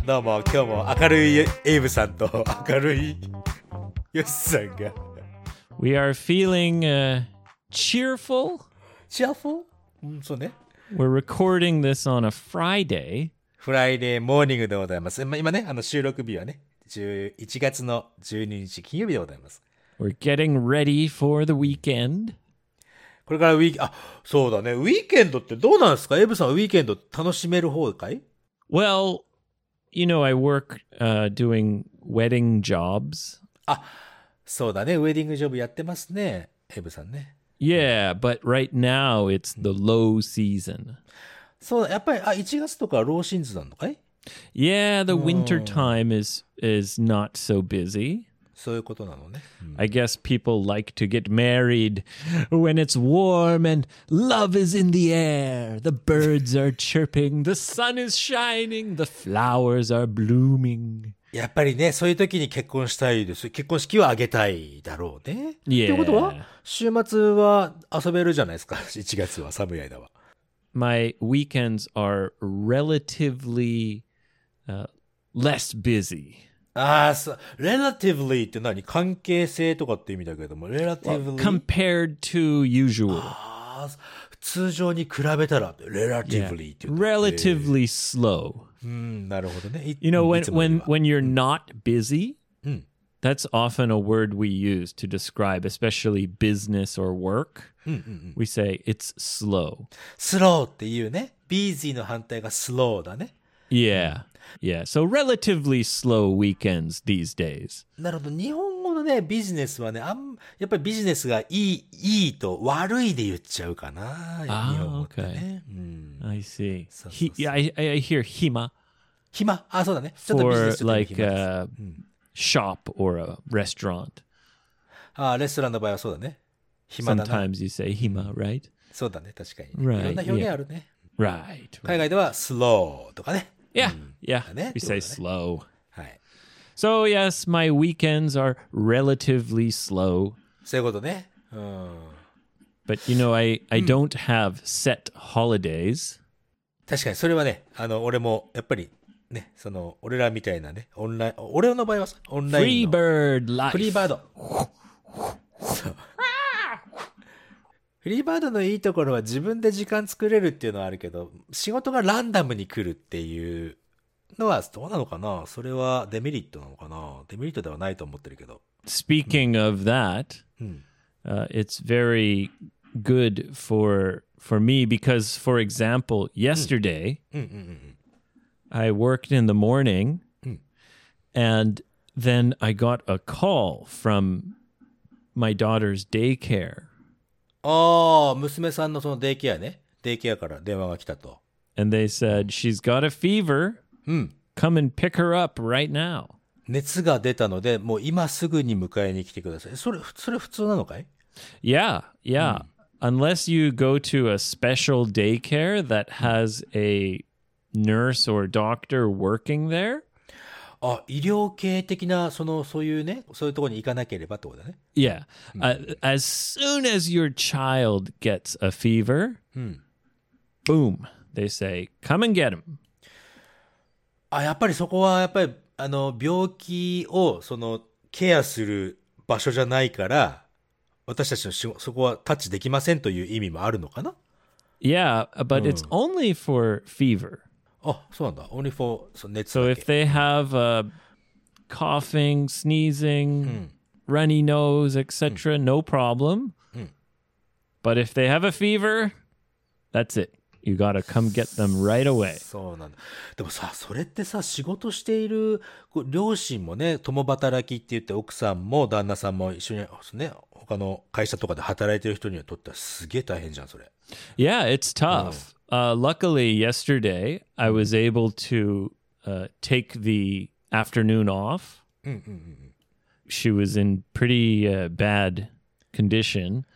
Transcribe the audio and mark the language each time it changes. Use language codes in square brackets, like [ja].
[ja] どうも、今日も明るいエイブさんと明るいヨシさんが。 [en] We are feeling、cheerful. Cheerful?、 [ja] うん、そうね。 [en] We're recording this on a Friday. Friday morning [ja] でございます。今ね、あの収録日はね、11月の12日金曜日でございます。 [en] We're getting ready for the weekend. [ja] これからウィーケンド、あ、そうだね。ウィーケンドってどうなんですか？エブさん、ウィーケンド楽しめる方かい？ [en] Well, you know, I work, doing wedding jobs. [ja] あ、そうだね。ウェディングジョブやってますね。エブさんね。 [en] Yeah, but right now it's the low season. [ja] そうだ。やっぱり、あ、1月とかローシーズンなのかい？ [en] Yeah, the winter time is not so busy. [ja] そういうことなのね。 [en] I guess people like to get married when it's warm and love is in the air. The birds are chirping, the sun is shining, the flowers are blooming. [ja] やっぱりね、そういう時に結婚したいです。結婚式を挙げたいだろうね。 [en] Yeah. [ja] ということは、週末は遊べるじゃないですか。 1月は寒い間は。 [en] My weekends are relatively, less busy. [ja] ああ、そう、relatively って何？関係性とかって意味だけども、relatively [en] well, compared to usual。 [ja] ああ、通常に比べたら relatively、 [en] yeah. [ja] って。 [en] relatively slow。 [ja] うん、なるほどね。 [en] You know when you're not busy、うん、that's often a word we use to describe, especially business or work、 [ja] うんうんうん。 [en] We say it's slow。 [ja] スローっていうね、busy の反対が slow だね。 [en] Yeah, yeah. So relatively slow weekends these days. [ja] なるほど。日本語のね、ビジネスはね、あん、やっぱりビジネスがいいと悪いで言っちゃうかな。 [en] Ah, okay. I see. I hear 暇。 [ja] 暇。あ、そうだね。 [en] For like a shop or a restaurant. [ja] あ、レストランの場合はそうだね。暇だな。 [en] Sometimes you say 暇, right? [ja] そうだね、確かに。いろんな表現あるね。 [en] Right, right. [ja] 海外では slow とかね。 [en] Yeah, yeah.、うんね、We say slow.、 [ja] はい、 [en] so yes, my weekends are relatively slow. [ja] そういうことね。うん、 [en] But you know, I don't have set holidays. [ja] 確かにそれはね、あの俺もやっぱりね、その俺らみたいなね、オンライン、俺の場合はオンラインの。 [en] Free bird life. [ja] フリーバード。フリーバードのいいところは自分で時間作れるっていうのはあるけど、仕事がランダムに来るっていうのはどうなのかな。それはデメリットなのかな。デメリットではないと思ってるけど。 [en] Speaking of that,、うん、it's very good for me because, for example, yesterday,、 [ja] うんうんうんうん、 [en] I worked in the morning,、うん、and then I got a call from my daughter's daycare. [ja] ああ、娘さんのそのデイケアね。デイケアから電話が来たと。 [en] And they said, she's got a fever. [ja] うん。 [en] Come and pick her up right now. [ja] 熱が出たので、もう今すぐに迎えに来てください。それ普通なのかい？ [en] Yeah, yeah.、うん、Unless you go to a special daycare that has a nurse or doctor working there. [ja] あ、医療系的な、そういうね、そういうところに行かなければってことだね。 [en] Yeah.、As soon as your child gets a fever,、 [ja] うん、 [en] boom, they say, come and get him. [ja] あ、やっぱりそこはやっぱり病気をそのケアする場所じゃないから、私たちのそこはタッチできませんという意味もあるのかな？ [en] Yeah, but it's only for fever. [ja] あ、そうなんだ。 [en] Only for [ja] その熱 [en] So [ja] だ [en] if [ja] け。 [en] they have coughing, sneezing, runny nose, etc., no problem. But if they have a fever, that's it. You gotta come get them right away. [ja] そうなんだ。でもさ、それってさ、仕事している両親もね、共働きって言って、奥さんも旦那さんも一緒に、ね、他の会社とかで働いてる人にとってはすげえ大変じゃん、それ。 [en] Yeah, it's tough. Luckily, yesterday I was able to take the afternoon off. She was in pretty bad condition.